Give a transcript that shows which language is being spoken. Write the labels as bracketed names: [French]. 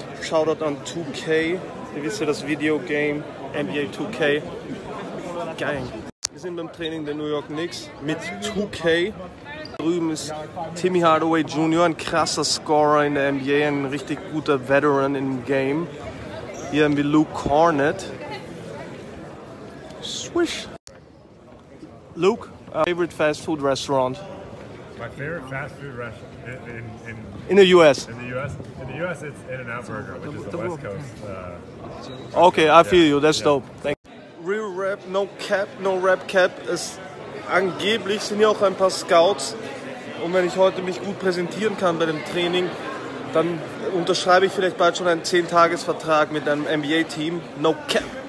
[German] Shoutout an 2K. Ihr wisst ja, das Videogame NBA 2K. Gang. Wir sind beim Training der New York Knicks mit 2K. Drüben ist Timmy Hardaway Jr., ein krasser Scorer in der NBA, ein richtig guter Veteran im Game. Hier haben wir Luke Kornet. [English] Swish. Luke, favorite fast food restaurant? My favorite fast food restaurant in the U.S. In the U.S. In the U.S. it's In-N-Out Burger, which is the West Coast. Okay, I feel you. That's dope. Thank you. Real rap, no cap, no rap cap. [German] Es angeblich sind hier auch ein paar Scouts. Und wenn ich heute mich gut präsentieren kann bei dem Training, dann unterschreibe ich vielleicht bald schon einen 10-Tages-Vertrag mit einem NBA-Team. [English] No cap.